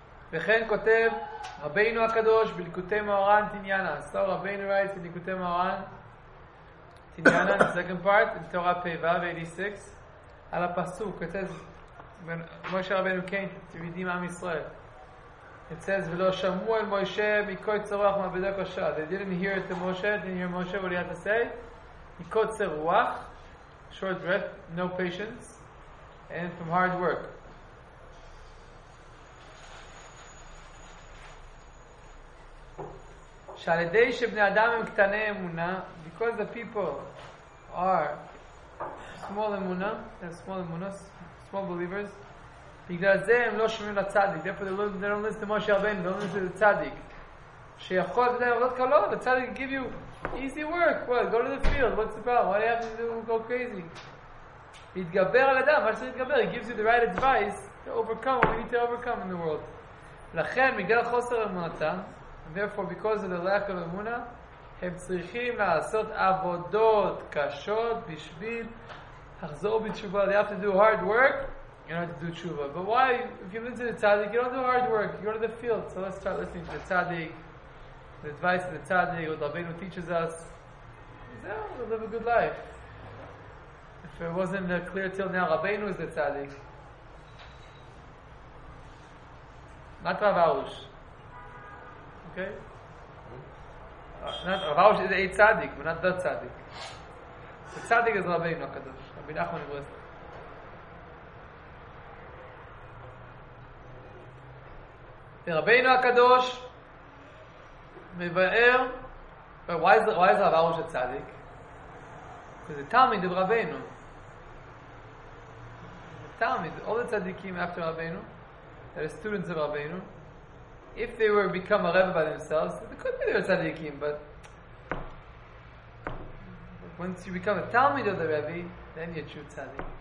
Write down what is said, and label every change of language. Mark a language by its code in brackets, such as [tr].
[he] וכן כותב רבינו הקדוש בליקוטי מוהר"ן תניאנה. [en] So רבינו writes in ליקוטי מוהר"ן תניאנה, the second part in Torah Peva 86, [he] על הפסוק, [en] it says, when משה רבינו came to redeem עם ישראל, it says, [he] ולא שמעו אל משה מכל צרוח מעבדי הקשה. [en] They didn't hear it to Moshe, didn't hear Moshe, what he had to say. [he] מקוצר רוח, [en] short breath, no patience, and from hard work. [he] שעל ידי שבני אדם הם קטני אמונה, [en] because the people are small אמונה, they're small אמונות, small believers, [he] בגלל זה הם לא שומעים לצדיק. [en] Therefore they don't listen to Moshe Rabbeinu, they don't listen to the צדיק. [he] שיכול לדעת עבודות קלות, [en] the צדיק give you easy work. What? Go to the field. What's the problem? Why do you have to do, go crazy? [he] להתגבר על אדם. מה שצריך להתגבר? [en] He gives you the right advice to overcome what we need to overcome in the world. [he] לכן, בגלל חוסר אמונתם, [en] therefore, because of the lack of אמונה, [he] הם צריכים לעשות עבודות קשות בשביל לחזור בתשובה. [en] They have to do hard work. You don't have to do tshuva. But why? If you listen to the tzaddik, you don't do hard work. You go to the field. So let's start listening to the tzaddik, the advice of the tzaddik, what Rabbeinu teaches us. Yeah, we'll live a good life. If it wasn't clear till now, Rabbeinu is the tzaddik. Not Rav Arush. Okay? Rav Arush is a tzaddik, but not the tzaddik. The tzaddik is Rabbeinu HaKadosh. Rabbi Nachman of Breslov. [he] ורבינו הקדוש מבאר, [en] why is [he] רב ארוש הצדיק? [en] Because the תלמיד of רבינו. The תלמיד, all the צדיקים after רבינו, they're the students of רבינו. If they were become a rebbe by themselves, they could be their צדיקים, but once you become a תלמיד of the רבי, then you're true צדיק.